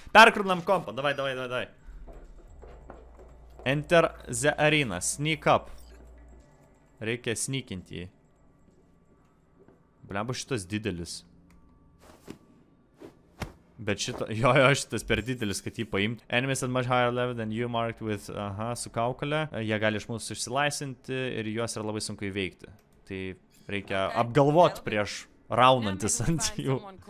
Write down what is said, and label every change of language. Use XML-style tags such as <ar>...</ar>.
<lt>Perkrūnam kompą, davai.</lt> <en>Enter the arena, sneak up.</en> <lt>Reikia sneakinti jį. Ble, šitas didelis. Bet šito, jo, šitas per didelis, kad jį paimt.</lt> <en>Enemies at much higher level than you marked with, aha,</en> <lt>su kaukale. Jie gali iš mūsų išsilaisinti ir juos yra labai sunku įveikti. Tai reikia apgalvot prieš raunantis ant jų.</lt>